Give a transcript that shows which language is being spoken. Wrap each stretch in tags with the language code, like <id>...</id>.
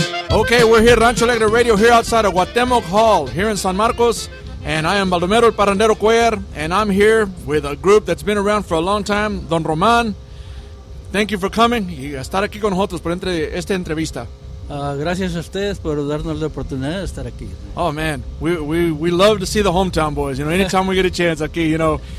<en>Okay, we're here, Rancho Alegre Radio, here outside of Cuauhtémoc Hall, here in San Marcos. And I am Baldomero El Parandero Cuellar, and I'm here with a group that's been around for a long time, Don Román. Thank you for coming</en> <es>y estar aquí con nosotros por esta entrevista. Gracias a ustedes por darnos la oportunidad de estar aquí.</es> <en>Oh, man, we love to see the hometown boys, you know, anytime we get a chance aquí, you know.</en>